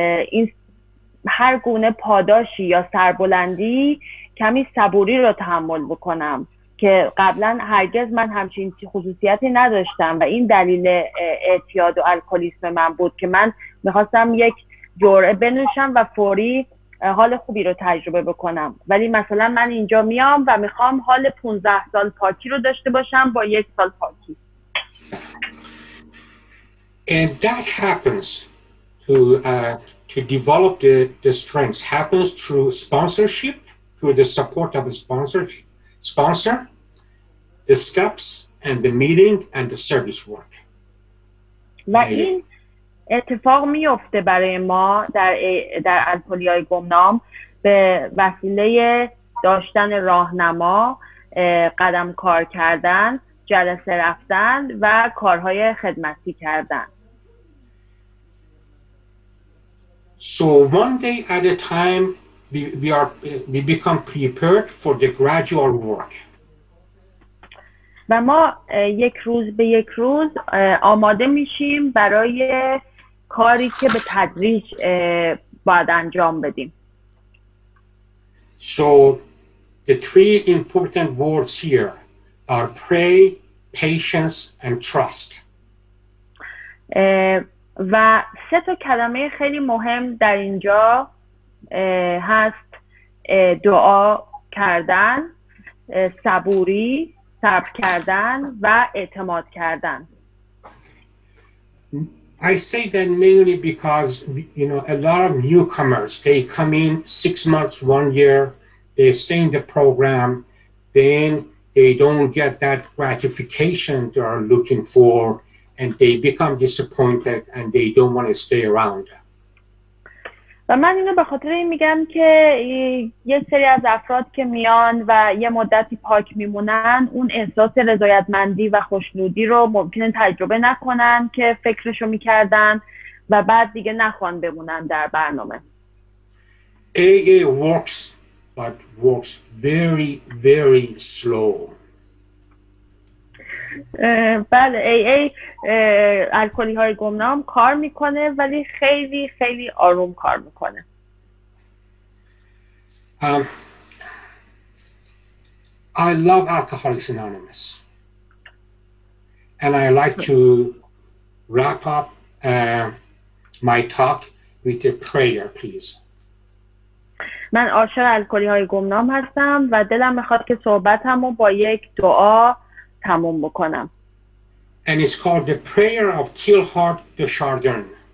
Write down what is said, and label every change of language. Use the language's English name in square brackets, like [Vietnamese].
[Persian] این هر گونه پاداشی یا سربلندی کمی صبوری رو تحمل بکنم که قبلا هرگز من همچین خصوصیتی نداشتم و این دلیل اعتیاد و الکلیسم من بود که من میخواستم یک جرعه بنوشم و فوری حال خوبی رو تجربه بکنم، ولی مثلا من اینجا میام و میخوام حال 15 سال پاکی رو داشته باشم با یک سال پاکی. [English] And that happens to develop the strengths happens through sponsorship, through the support of a sponsor, the steps and the meeting and the service work. [Persian] اتفاق میفته برای ما در الکلی‌های گمنام به وسیله داشتن راهنما، قدم کار کردن، جلسه رفتن و کارهای خدمتی کردن. [English] So one day at a time we become prepared for the gradual work. [Persian] و ما یک روز به یک روز آماده میشیم برای کاری که به تدریج باید انجام بدیم. [English] So the three important words here are pray, patience and trust. [Persian] و سه تا کلمه خیلی مهم در اینجا هست: دعا کردن، صبوری، صبر کردن و اعتماد کردن. [English] I say that mainly because, you know, a lot of newcomers, they come in 6 months, 1 year, they stay in the program, then they don't get that gratification they are looking for, and they become disappointed, and they don't want to stay around. [Persian] و من اینو به خاطر این میگم که یه سری از افراد که میان و یه مدتی پاک میمونن اون احساس رضایتمندی و خوشنودی رو ممکنه تجربه نکنن که فکرشو میکردن و بعد دیگه نخوان بمونن در برنامه. [English] AA works, but works very, very slow. [Persian] بله AA الکلی های گمنام کار میکنه، ولی خیلی خیلی آروم کار میکنه. [English] I love Alcoholics Anonymous and I like to wrap up my talk with a prayer please. [Persian] من عاشق الکلی های گمنام هستم و دلم میخواد که صحبتمو با یک دعا تموم بکنم. [English] And it's called the prayer of Teilhard de Chardin.